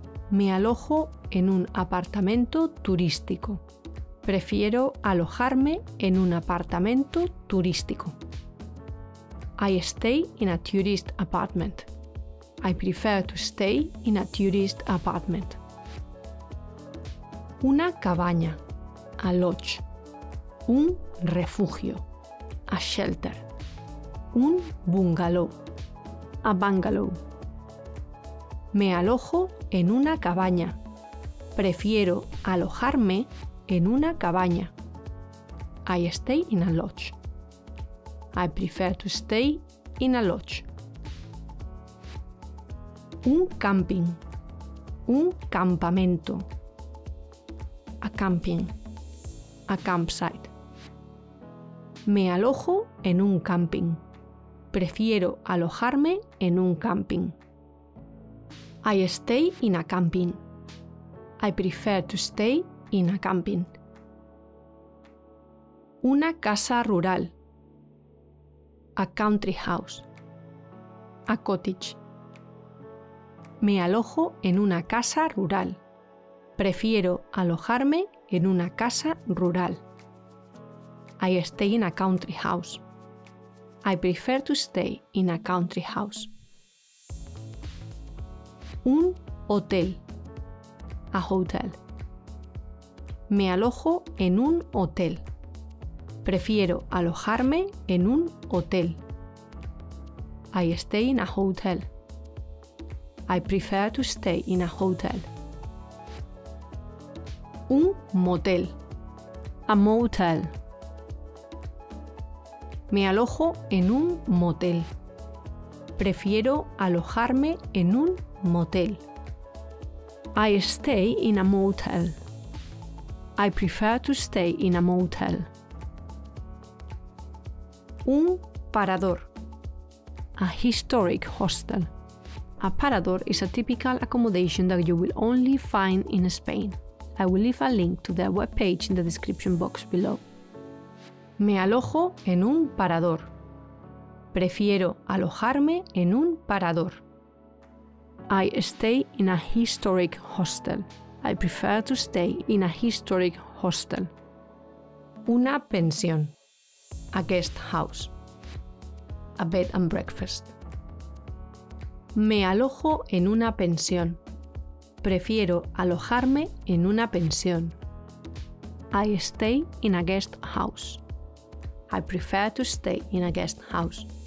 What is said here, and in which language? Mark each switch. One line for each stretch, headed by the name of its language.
Spanish: Me alojo en un apartamento turístico. Prefiero alojarme en un apartamento turístico.
English: I stay in a tourist apartment. I prefer to stay in a tourist apartment.
Spanish: Una cabaña.
English: A lodge.
Spanish: Un refugio.
English: A shelter.
Spanish: Un bungalow.
English: A bungalow.
Spanish: Me alojo en una cabaña. Prefiero alojarme en una cabaña.
English: I stay in a lodge. I prefer to stay in a lodge.
Spanish: Un camping. Un campamento.
English: A camping. A campsite.
Spanish: Me alojo en un camping. Prefiero alojarme en un camping.
English: I stay in a camping. I prefer to stay in a camping.
Spanish: Una casa rural.
English: A country house. A cottage.
Spanish: Me alojo en una casa rural. Prefiero alojarme en una casa rural.
English: I stay in a country house. I prefer to stay in a country house.
Spanish: Un hotel.
English: A hotel.
Spanish: Me alojo en un hotel. Prefiero alojarme en un hotel.
English: I stay in a hotel. I prefer to stay in a hotel.
Spanish: Un motel.
English: A motel.
Spanish: Me alojo en un motel. Prefiero alojarme en un motel.
English: I stay in a motel. I prefer to stay in a motel.
Spanish: Un parador.
English: A historic hostel. A parador is a typical accommodation that you will only find in Spain. I will leave a link to their webpage in the description box below.
Spanish: Me alojo en un parador. Prefiero alojarme en un parador.
English: I stay in a historic hostel. I prefer to stay in a historic hostel.
Spanish: Una pensión.
English: A guest house. A bed and breakfast.
Spanish: Me alojo en una pensión. Prefiero alojarme en una pensión.
English: I stay in a guest house. I prefer to stay in a guest house.